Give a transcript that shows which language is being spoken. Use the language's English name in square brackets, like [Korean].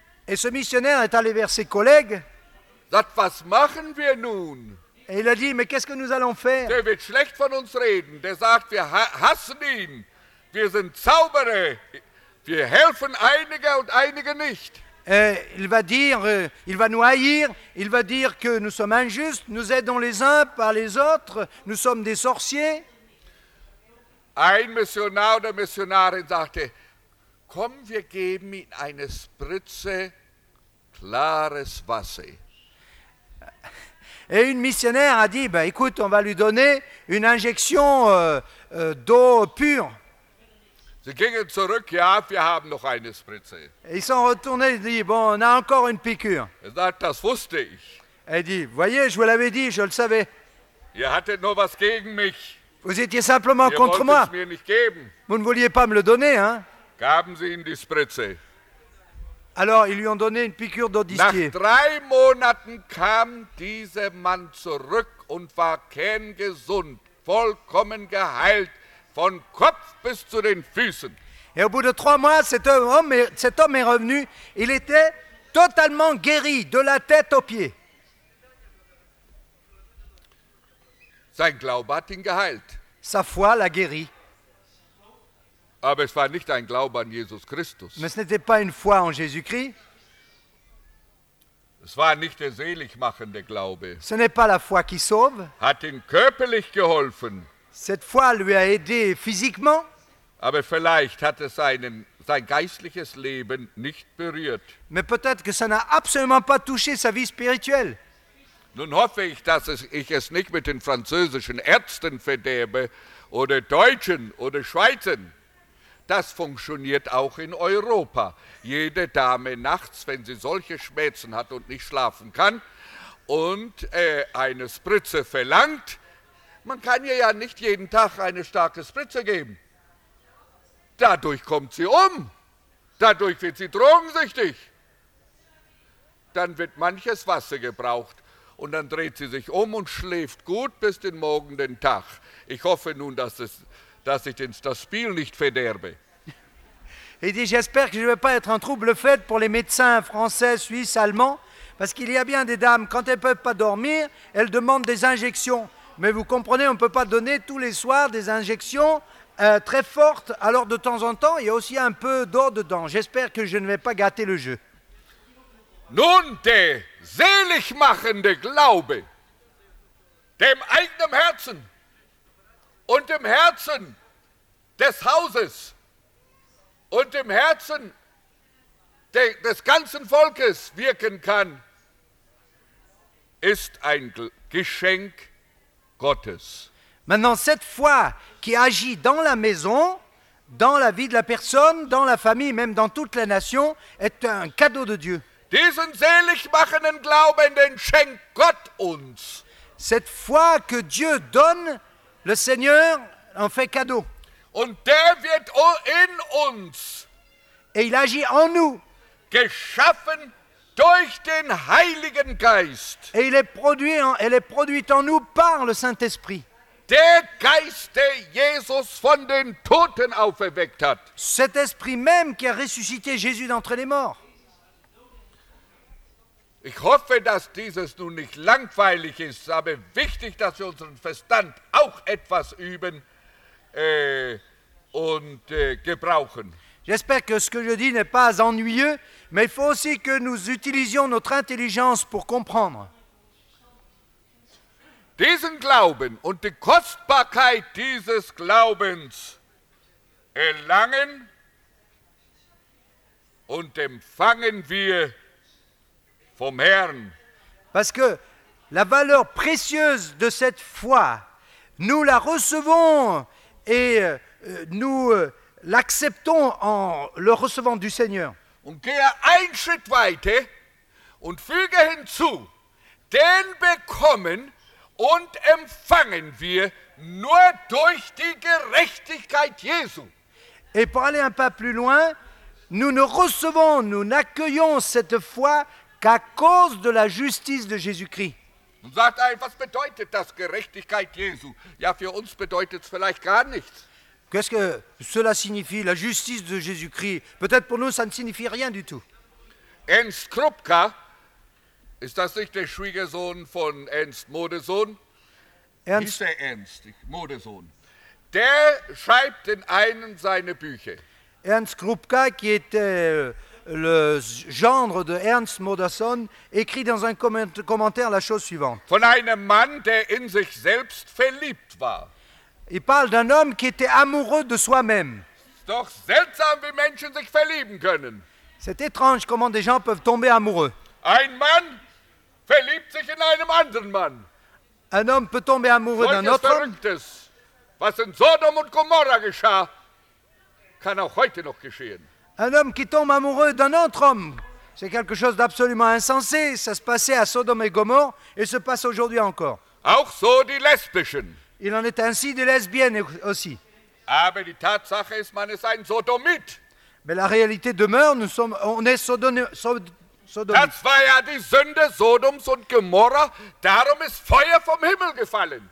[French] Et ce missionnaire est allé vers ses collègues. [German] Sagt, was machen wir nun? [French] Et il a dit, mais qu'est-ce que nous allons faire? [German] Der wird schlecht von uns reden. Der sagt, wir hassen ihn. Wir sind Zauberer. Wir helfen einige und einige nicht. [French] Il va dire, il va nous haïr, il va dire que nous sommes injustes, nous aidons les uns par les autres, nous sommes des sorciers. [German] Ein Missionar oder Missionarin sagte, komm, wir geben ihm eine Spritze klares Wasser. [French] Et une missionnaire a dit, ben écoute, on va lui donner une injection d'eau pure. [German] Sie gingen zurück, ja, wir haben noch eine Spritze. [French] Ils sont retournés, ils disent, bon, on a encore une piqûre. [German] Er sagt, das wusste ich. [French] Er dit, voyez, je vous l'avais dit, je le savais. [German] Ihr hattet nur was gegen mich. [French] Vous étiez simplement [German] ihr [French] contre moi. [German] Ihr wolltet es mir nicht geben. [French] Vous ne vouliez pas me le donner, hein? [German] Gaben sie ihm die Spritze. [French] Alors, ils lui ont donné une piqûre d'odyssée. [German] Nach drei Monaten kam dieser Mann zurück und war kerngesund, vollkommen geheilt, von Kopf bis zu den Füßen. [French] Et au bout de trois mois, cet homme est revenu, il était totalement guéri, de la tête aux pieds. [German] Sein Glaube hat ihn geheilt. [French] Sa foi l'a guéri. [German] Aber es war nicht ein Glaube an Jesus Christus. [French] Mais ce n'était pas une foi en Jésus-Christ. [German] Es war nicht der seligmachende Glaube. [French] Ce n'est pas la foi qui sauve. [German] Hat ihn körperlich geholfen. [French] Cette foi lui a aidé physiquement. [German] Aber vielleicht hat es sein geistliches Leben nicht berührt. [French] Mais peut-être que ça n'a absolument pas touché sa vie spirituelle. [German] Nun hoffe ich, dass ich es nicht mit den französischen Ärzten verderbe oder Deutschen oder Schweizern. Das funktioniert auch in Europa. Jede Dame nachts, wenn sie solche Schmerzen hat und nicht schlafen kann und eine Spritze verlangt, man kann ihr ja nicht jeden Tag eine starke Spritze geben. Dadurch kommt sie um. Dadurch wird sie drogensüchtig. Dann wird manches Wasser gebraucht. Und dann dreht sie sich um und schläft gut bis den morgenden Tag. Ich hoffe nun, dass ich das Spiel nicht verderbe. [French] Il dit, j'espère que je ne vais pas être un trouble fait pour les médecins français, suisses, allemands, parce qu'il y a bien des dames, quand elles ne peuvent pas dormir, elles demandent des injections. Mais vous comprenez, on ne peut pas donner tous les soirs des injections très fortes. Alors de temps en temps, il y a aussi un peu d'eau dedans. J'espère que je ne vais pas gâter le jeu. [German] Nun, der seligmachende Glaube, dem eigenen Herzen und dem Herzen des Hauses und dem Herzen des ganzen Volkes wirken kann, ist ein Geschenk Gottes. [French] Maintenant, cette foi qui agit dans la maison, dans la vie de la personne, dans la famille, même dans toute la nation, est un cadeau de Dieu. [German] Diesen seligmachenden Glauben, den schenkt Gott uns. [French] Cette foi que Dieu donne, le Seigneur en fait cadeau. [German] Und der wird in uns. [French] Et il agit en nous. [German] Geschaffen durch den Heiligen Geist. [French] Et elle est produite en nous par le Saint-Esprit. [German] Der Geist, der Jesus von den Toten auferweckt hat. [French] Cet esprit même qui a ressuscité Jésus d'entre les morts. [German] Ich hoffe, dass dieses nun nicht langweilig ist, aber wichtig, dass wir unseren Verstand auch etwas üben gebrauchen. [French] J'espère que ce que je dis n'est pas ennuyeux, mais il faut aussi que nous utilisions notre intelligence pour comprendre. [German] Diesen Glauben und die Kostbarkeit dieses Glaubens erlangen und empfangen wir vom Herrn. [French] Parce que la valeur précieuse de cette foi, nous la recevons et nous l'acceptons en le recevant du Seigneur. [German] Und gehe einen Schritt weiter und füge hinzu, den bekommen und empfangen wir nur durch die Gerechtigkeit Jesu. [French] Et pour aller un pas plus loin, nous ne recevons, nous n'accueillons cette foi qu'à cause de la justice de Jésus-Christ. [German] Und sagt ein, was bedeutet das Gerechtigkeit Jesu? Ja, für uns bedeutet es vielleicht gar nichts. [French] Qu'est-ce que cela signifie, la justice de Jésus-Christ? Peut-être pour nous, ça ne signifie rien du tout. [German] Ernst Krupka, ist das nicht der Schwiegersohn von Ernst Modesohn? Ernst? Ist Ernst, Modesohn. Der schreibt in einem seiner Bücher. [French] Ernst Krupka, qui était le gendre de Ernst Modesohn, écrit dans un commentaire la chose suivante. [German] Von einem Mann, der in sich selbst verliebt war. [French] Il parle d'un homme qui était amoureux de soi-même. [German] Doch seltsam, wie Menschen sich verlieben können. [French] C'est étrange comment des gens peuvent tomber amoureux. [German] Ein Mann verliebt sich in einem anderen Mann. [French] Un homme peut tomber amoureux d'un autre homme. [German] Was in Sodom und Gomorra geschah. kann auch heute noch geschehen. [French] Un homme qui tombe amoureux d'un autre homme, c'est quelque chose d'absolument insensé. Ça se passait à Sodome et Gomorrhe et se passe aujourd'hui encore. [German] Auch so die Lesbischen. [French] Il en est ainsi des lesbiennes aussi. [German] Aber die Tatsache ist, man ist ein Sodomit. [French] Mais la réalité demeure, nous sommes, on est Sodomites. [German] Das war ja die Sünde Sodoms und Gomorra, darum ist Feuer vom Himmel gefallen.